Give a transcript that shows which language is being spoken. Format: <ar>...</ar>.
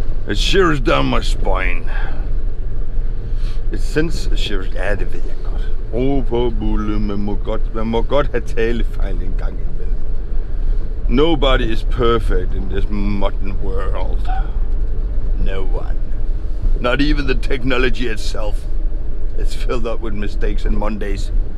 <en>It shivers down my spine. It sends a shivers.</en> <da>Ja, det ved jeg godt. Ro på bulle, man må godt have talefejl en gang imellem.</da> <en>Nobody is perfect in this modern world. No one. Not even the technology itself. It's filled up with mistakes and Mondays.</en>